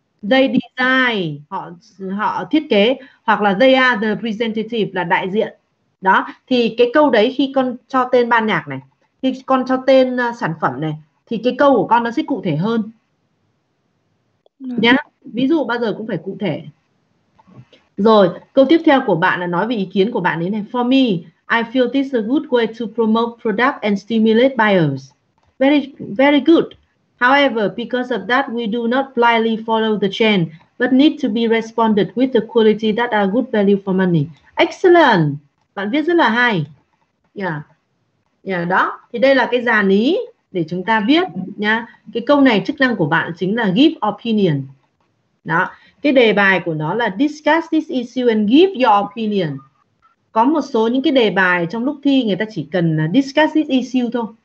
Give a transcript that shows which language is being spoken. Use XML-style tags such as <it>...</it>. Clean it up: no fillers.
<en>They design,</en> <vi>họ thiết kế, hoặc là</vi> <en>they are the representative,</en> <vi>là đại diện. Đó, thì cái câu đấy khi con cho tên ban nhạc này, khi con cho tên sản phẩm này, thì cái câu của con nó sẽ cụ thể hơn. Nhá, ví dụ bao giờ cũng phải cụ thể. Rồi, câu tiếp theo của bạn là nói về ý kiến của bạn ấy này.</vi> <en>For me, I feel this is a good way to promote product and stimulate buyers. Very, very good. However, because of that, we do not blindly follow the trend, but need to be responded with the quality that are good value for money. Excellent!</en> <vi>Bạn viết rất là hay. Yeah. Yeah, đó. Thì đây là cái dàn ý để chúng ta viết nha. Cái câu này, chức năng của bạn chính là</vi> <en>give opinion.</en> <vi>Đó. Cái đề bài của nó là</vi> <en>discuss this issue and give your opinion.</en> <vi>Có một số những cái đề bài trong lúc thi người ta chỉ cần</vi> <en>discuss this issue</en> <vi>thôi.</vi>